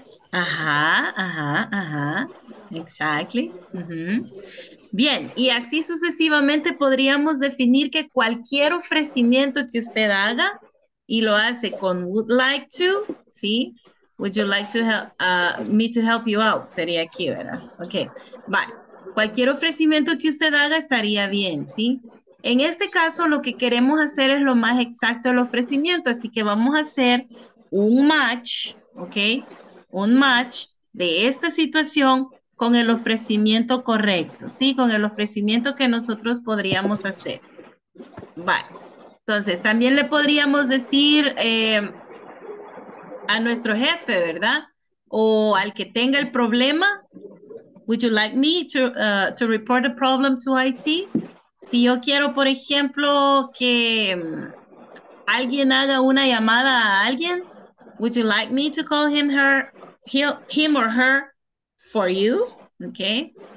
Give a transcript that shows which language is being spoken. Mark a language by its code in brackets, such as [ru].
[en] Ajá, ajá, ajá. Exactly. [es] Bien, y así sucesivamente podríamos definir que cualquier ofrecimiento que usted haga y lo hace con [en] would like to, [es] ¿sí? [en] Would you like to help me to help you out? [es] Sería aquí, ¿verdad? Ok, vale. Cualquier ofrecimiento que usted haga estaría bien, ¿sí? En este caso, lo que queremos hacer es lo más exacto del ofrecimiento, así que vamos a hacer un match, ¿ok? Un match de esta situación con el ofrecimiento correcto, ¿sí? Con el ofrecimiento que nosotros podríamos hacer. Vale. Entonces, también le podríamos decir a nuestro jefe, ¿verdad? O al que tenga el problema, [en] would you like me to report a problem to IT? [es] Si yo quiero, por ejemplo, que alguien haga una llamada a alguien, [en] would you like me to call him or her for you, okay.